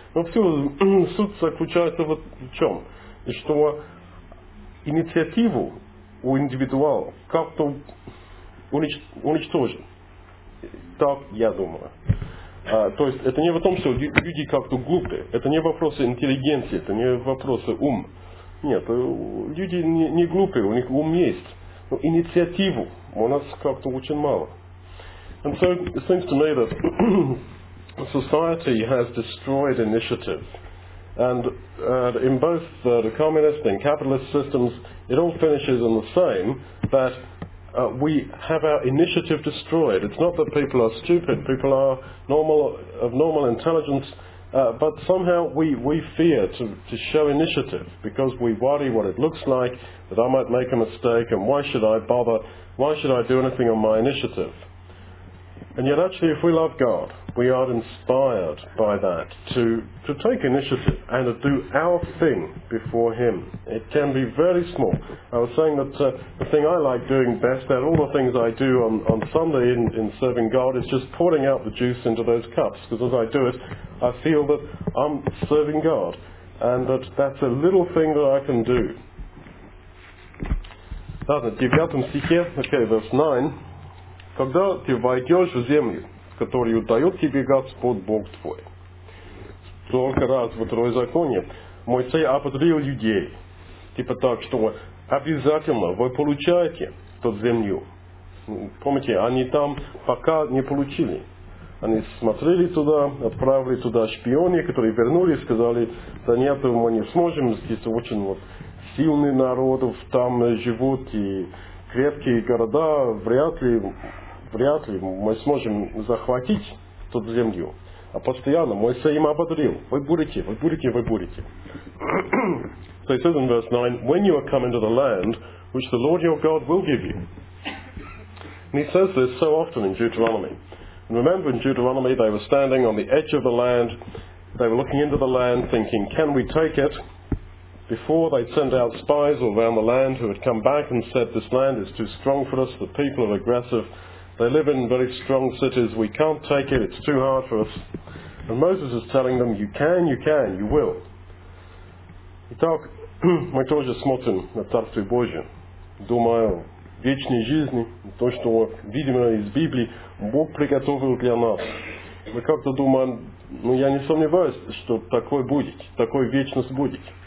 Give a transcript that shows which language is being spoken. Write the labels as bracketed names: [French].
[Russian] Но все, суть заключается вот в чем? Что инициативу у индивидуала как-то уничтожен. Так я думаю. То есть это не в том, что люди как-то глупые. Это не вопросы интеллигенции, это не вопросы ум. Нет, люди не глупые, у них ум есть. Но инициативу у нас как-то очень мало. [English] And so it seems to me that society has destroyed initiative. And in both the communist and capitalist systems, it all finishes in the same, that we have our initiative destroyed. It's not that people are stupid, people are of normal intelligence, but somehow we fear to show initiative, because we worry what it looks like, that I might make a mistake, and why should I bother, why should I do anything on my initiative? And yet actually, if we love God, we are inspired by that to take initiative and to do our thing before Him. It can be very small. I was saying that the thing I like doing best, that all the things I do on Sunday in serving God, is just pouring out the juice into those cups. Because as I do it, I feel that I'm serving God. And that's a little thing that I can do. [Russian] Ладно, в 9 стихе, [English] okay, verse 9. [Russian] Когда ты войдешь в землю, которую дает тебе Господь Бог твой. Столько раз в Второзаконе Моисей ободрил людей. Типа так, что обязательно вы получаете эту землю. Помните, они там пока не получили. Они смотрели туда, отправили туда шпионы, которые вернулись, сказали, да нет, мы не сможем, здесь очень вот сильный народ, там живут и крепкие города, вряд ли мы сможем захватить эту землю. А постоянно Моисей им ободрил. Вы будете. [English] So he says in verse 9, when you are come into the land which the Lord your God will give you. And he says this so often in Deuteronomy. And remember in Deuteronomy they were standing on the edge of the land. They were looking into the land thinking, can we take it? Before they'd sent out spies all around the land who had come back and said, this land is too strong for us, the people are aggressive. They live in very strong cities. We can't take it. It's too hard for us. And Moses is telling them, you can, you will. [Russian] Итак, мы тоже смотрим на Царствие Божие. Думаю, вечной жизни, то, что видимо из Библии, Бог приготовил для нас. Мы как-то думаем, ну я не сомневаюсь, что такое будет, такой вечность будет.